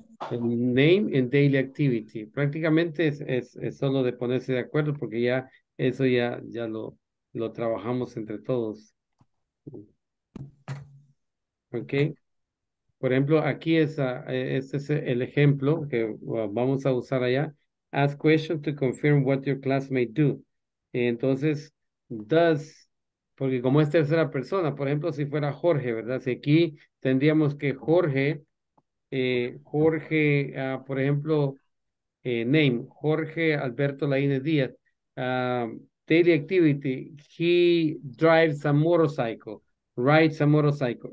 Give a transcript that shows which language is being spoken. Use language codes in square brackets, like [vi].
[es] El [en] name and daily activity. [es] Prácticamente es solo de ponerse de acuerdo, porque ya eso ya lo trabajamos entre todos. Ok. Por ejemplo, aquí este es el ejemplo que vamos a usar allá. [en] Ask questions to confirm what your classmate do. [es] Entonces, does, porque como es tercera persona, por ejemplo, si fuera Jorge, ¿verdad? Si aquí tendríamos que Jorge, por ejemplo, name, Jorge Alberto Laínez Díaz, daily activity, [en] he drives a motorcycle, [es] rides a motorcycle.